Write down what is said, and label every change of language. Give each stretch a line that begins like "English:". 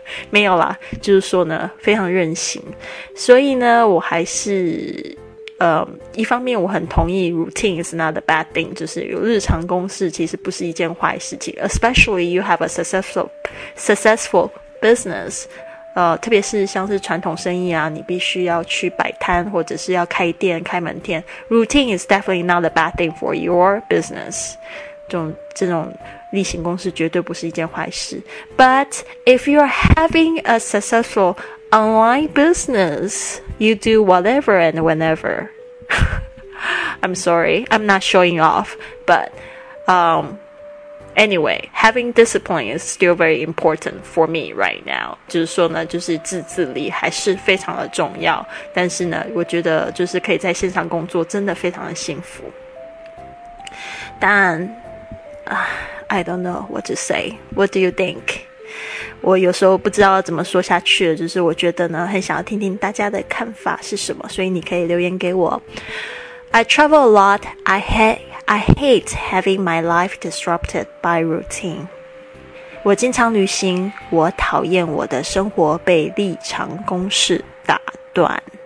Chinese: 没有啦，就是说呢，非常任性。所以呢，我还是一方面我很同意
English: routine is not a bad thing,
Chinese: 就是有日常公事其实不是一件坏事情。
English: Especially you have a successful business,
Chinese: 特别是像是传统生意啊，你必须要去摆摊或者是要开店开门店。
English: Routine is definitely not a bad thing for your business.
Chinese: 这种例行公事绝对不是一件坏事。
English: But if you are having a successful online business, you do whatever and whenever. I'm sorry, I'm not showing off. But anyway, having discipline is still very important for me right now.
Chinese: 就是说呢，就是自制力还是非常的重要。但是呢，我觉得就是可以在线上工作真的非常的幸福。
English: 但I don't know what to say. What do you think?
Chinese: 我有时候不知道怎么说下去了，就是我觉得呢，很想要听听大家的看法是什么，所以你可以留言给我。
English: I travel a lot. I hate having my life disrupted by routine.
Chinese: 我经常旅行，我讨厌我的生活被日常公事打断。